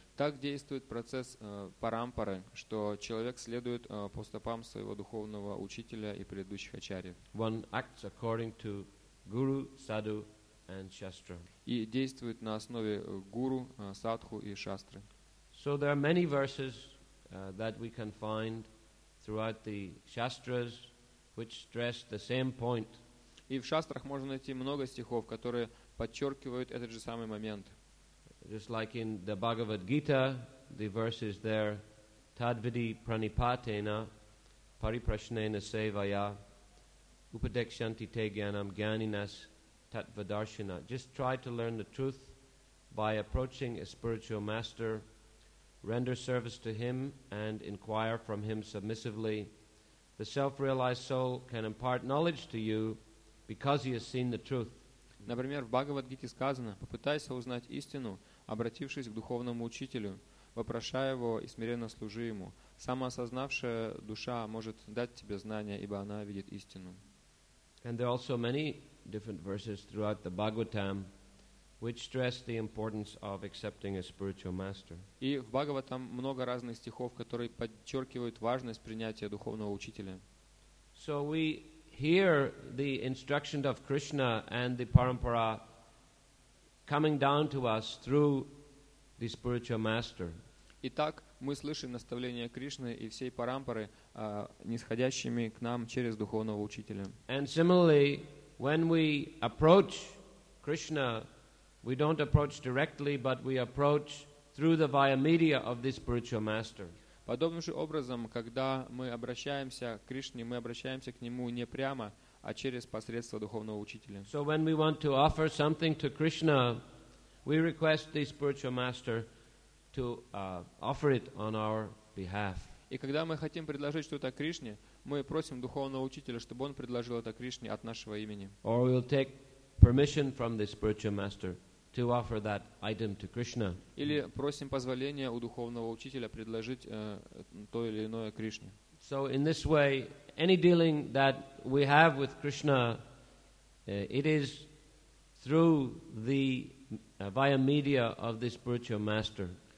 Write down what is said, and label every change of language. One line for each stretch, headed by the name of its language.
Russian: Так действует процесс парампары, что человек следует по стопам своего духовного учителя и предыдущих ачарьев.
English: One acts according to guru, sadhu and shastra.
Russian: И действует на основе гуру, садху и шастры.
English: So there are many verses that we can find throughout the shastras which stress the same point.
Russian: И в шастрах можно найти много стихов, которые подчеркивают этот же самый момент.
English: Just like in the Bhagavad Gita, the verse is there,
Sanskrit: Tadvidi pranipatena pariprashnena sevaya upadekshanti te gyanam gyaninas tatvadarshana.
English: Just try to learn the truth by approaching a spiritual master, render service to him and inquire from him submissively. The self-realized soul can impart knowledge to you because he has seen the truth.
Russian: Например, в Бхагавад-гите сказано: «Попытайся узнать истину, обратившись к духовному учителю, вопрошая его и смиренно служи ему. Самоосознавшая душа может дать тебе знания, ибо она видит истину».
English: And there are also many different verses throughout the Bhagavatam which stress the importance of accepting a spiritual master.
Russian: И в Бхагаватам много разных стихов, которые подчеркивают важность принятия духовного учителя.
English: So we hear the instruction of Krishna and the parampara coming down to us through the spiritual master.
Russian: Итак, мы слышим наставления Кришны и всей парампары, нисходящими к нам через духовного учителя.
English: And similarly, when we approach Krishna, we don't approach directly, but we approach through the via media of this spiritual master.
Russian: Подобным же образом, когда мы обращаемся к Кришне, мы обращаемся к нему не прямо, а через посредство духовного учителя.
English: So when we want to offer something to Krishna, we request the spiritual master to offer it on our behalf.
Russian: И когда мы хотим предложить что-то Кришне, мы просим духовного учителя, чтобы он предложил это Кришне от нашего имени.
English: Or we'll take permission from the spiritual master to offer that item to Krishna.
Russian: Или просим позволения у духовного учителя предложить то или иное Кришне.
English: So in this way, any dealing that we have with Krishna, it is through the via media of the spiritual master.